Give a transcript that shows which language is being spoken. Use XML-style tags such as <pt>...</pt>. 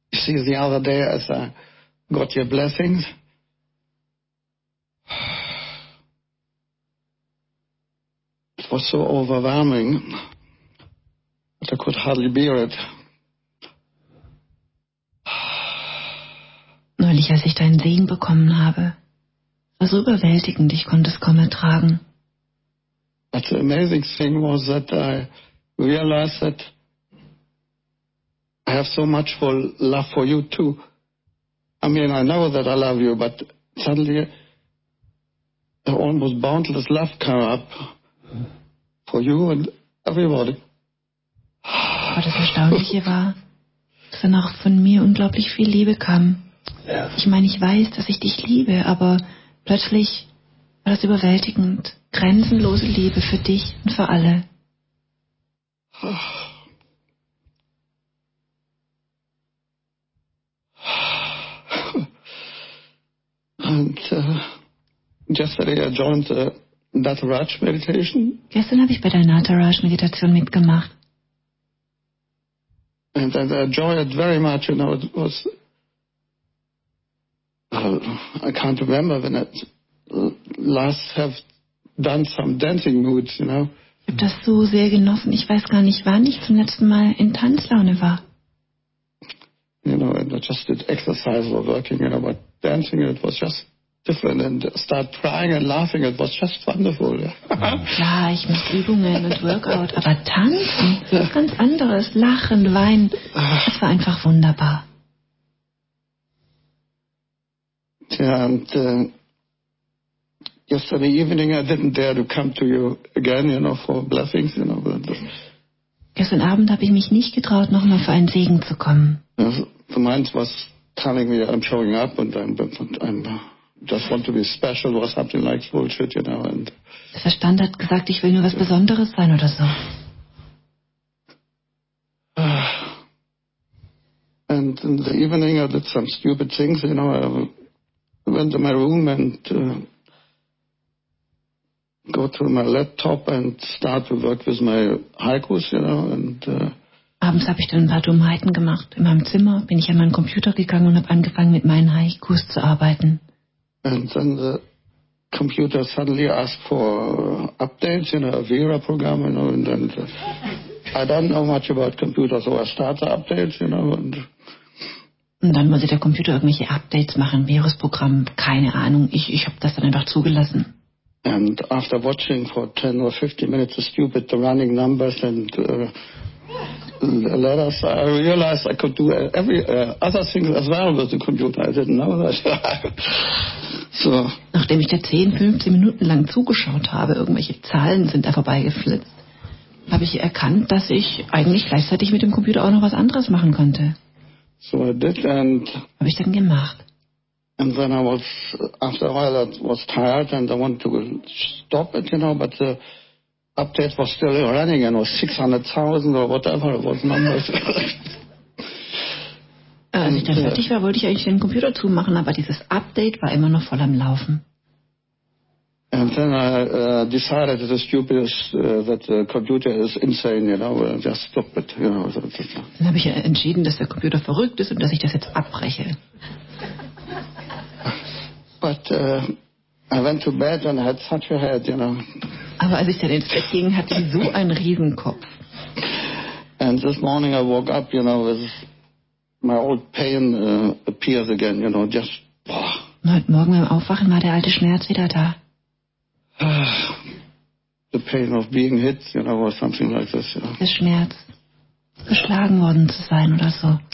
<en>The other day as I got your blessings, it was so overwhelming that I could hardly bear it.</en> <de>Neulich, als ich deinen Segen bekommen habe, war so überwältigend, ich konnte es kaum ertragen.</de> <en>But the amazing thing was that I realized that I have so much love for you too. I mean, I know that I love you, but suddenly the almost boundless love came up for you and everybody.</en> <de>Aber das Erstaunliche war, dass dann auch von mir unglaublich viel Liebe kam.</de> <en>Yes.</en> <de>Ich meine, ich weiß, dass ich dich liebe, aber plötzlich war das überwältigend. Grenzenlose Liebe für dich und für alle.</de> <en>And yesterday I joined the Nataraj meditation. Gestern habe ich bei der Nataraj Meditation mitgemacht. And I enjoyed it very much, you know, it was I can't remember when I last have done some dancing moves, you know.</en> <de>Ich habe das so sehr genossen. Ich weiß gar nicht, wann ich zum letzten Mal in Tanzlaune war.</de> <en>You know, and I just did exercise or working, you know, but dancing, it was just different. And start crying and laughing, it was just wonderful. Yeah.</en> <de>Klar, ich mache Übungen und Workout, aber tanzen, das ist ganz anderes. Lachen, weinen, das war einfach wunderbar.</de> <en>Yeah, and yesterday evening I didn't dare to come to you again, you know, for blessings, you know.</en> <de>Gestern Abend habe ich mich nicht getraut, nochmal für einen Segen zu kommen.</de> <en>The mind was telling me I'm showing up and I'm just want to be special or something like bullshit, you know. And</en> <de>der Verstand hat gesagt, ich will nur was Besonderes sein oder so.</de> <en>And in the evening I did some stupid things, you know. I went to my room and go to my laptop and start to work with my haikus, you know. And</en> <de>abends habe ich dann ein paar Dummheiten gemacht. In meinem Zimmer bin ich an meinen Computer gegangen und habe angefangen, mit meinen Haikus zu arbeiten.</de> <en>And then the computer suddenly asked for updates in a Vera program, you know, and then I don't know much about computers, so I started updates, you know.</en> <de>Und dann wollte der Computer irgendwelche Updates machen, Virusprogramm, keine Ahnung. Ich habe das dann einfach zugelassen.</de> <en>And after watching for 10 or 15 minutes the stupid running numbers and letters, I realized I could do every other things as well with the computer. I didn't know that. So.</en> <de>Nachdem ich da 10, 15 Minuten lang zugeschaut habe, irgendwelche Zahlen sind da vorbeigeflitzt, habe ich erkannt, dass ich eigentlich gleichzeitig mit dem Computer auch noch was anderes machen konnte.</de> <en>So I did and</en> <de>habe ich dann gemacht.</de> <en>And then I was, after a while, I was tired and I wanted to stop it, you know, but the update was still running and was 600,000 or whatever it was, numbers.</en> <de>Als ich dann fertig war, wollte ich eigentlich den Computer zumachen, aber dieses Update war immer noch voll am Laufen.</de> <en>And then I decided it's stupid that the computer is insane, you know, just stop it, you know.</en> <de>Dann habe ich entschieden, dass der Computer verrückt ist und dass ich das jetzt abbreche.</de> <en>But I went to bed and I had such a head, you know.</en> <de>Aber als ich dann ins Bett ging, hatte ich so einen Riesenkopf.</de> <en>And this morning I woke up, you know, with my old pain appears again, you know, just.</en> <de>Und heute Morgen beim Aufwachen war der alte Schmerz wieder da.</de> <en>The pain of being hit, you know, or something like this, you know.</en> <de>Der Schmerz, geschlagen worden zu sein oder so.</de>